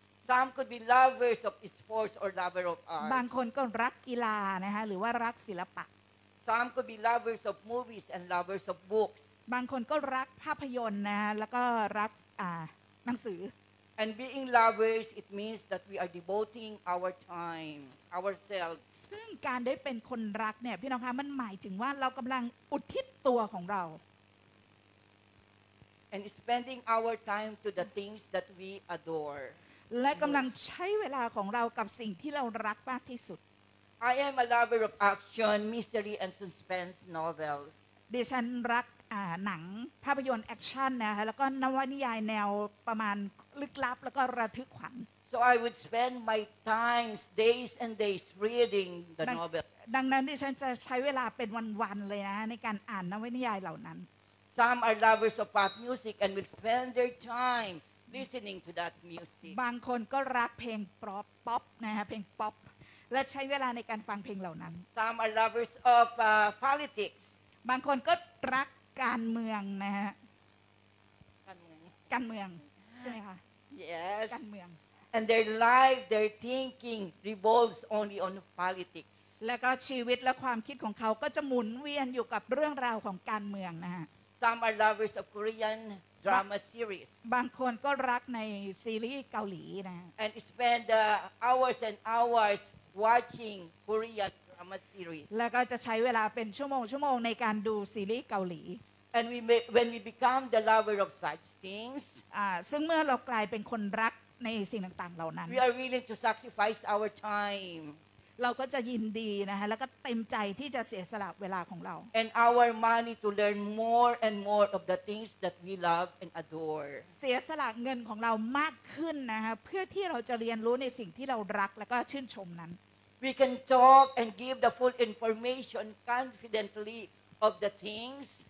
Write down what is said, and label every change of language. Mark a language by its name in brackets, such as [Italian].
[English] Some could be lovers of sports or lovers of art [Thai] บางคนก็รักกีฬานะคะหรือว่ารักศิลปะ [English] Some could be lovers of movies and lovers of books [Thai] บางคนก็รักภาพยนตร์นะแล้วก็รักหนังสือ [English] And being lovers, it means that we are devoting our time, ourselves. [Thai] ซึ่งการได้เป็นคนรักเนี่ยพี่น้องคะมันหมายถึงว่าเรากำลังอุทิศตัวของเรา [English] And spending our time to the things that we adore. [Thai] และกำลังใช้เวลาของเรากับสิ่งที่เรารักมากที่สุด [English] I am a lover of action, mystery, and suspense novels. [Thai] ดิฉันรักหนังภาพยนตร์แอคชั่นนะคะแล้วก็นวนิยายแนวประมาณลึกลับแล้วก็ระทึกขวัญ [English] So I would spend my time days and days reading the novel [Thai] ดังนั้นดิฉันจะใช้เวลาเป็นวันๆเลยนะในการอ่านนวนิยายเหล่านั้น [English] Some are lovers of pop music and will spend their time listening to that music [Thai] บางคนก็รักเพลงป๊อปนะฮะเพลงป๊อปและใช้เวลาในการฟังเพลงเหล่านั้น [English] Some are lovers of politics [Thai] บางคนก็รักการเมืองนะฮะ การเมือง ใช่ค่ะ [English] yes [Thai] การเมือง [English] and their life their thinking revolves only on politics [Thai] แล้วก็ชีวิตและความคิดของเขาก็จะหมุนเวียนอยู่กับเรื่องราวของการเมืองนะฮะ [English] some are lovers of Korean drama series [Thai] บางคนก็รักในซีรีส์เกาหลีนะ [English] and spend hours and hours watching Korean [Thai] แล้วก็จะใช้เวลาเป็นชั่วโมงชั่วโมงในการดูซีรีส์เกาหลี [English] And we may, when we become the lover of such things [Thai] ซึ่งเมื่อเรากลายเป็นคนรักในสิ่งต่างๆเหล่านั้น [English] We are willing to sacrifice our time [Thai] เราก็จะยินดีนะฮะแล้วก็เต็มใจที่จะเสียสละเวลาของเรา [English] And our money to learn more and more of the things that we love and adore [Thai] เสียสละเงินของเรามากขึ้นนะฮะเพื่อที่เราจะเรียนรู้ในสิ่งที่เรารักแล้วก็ชื่นชมนั้น [English] We can talk and give the full information confidently of the things.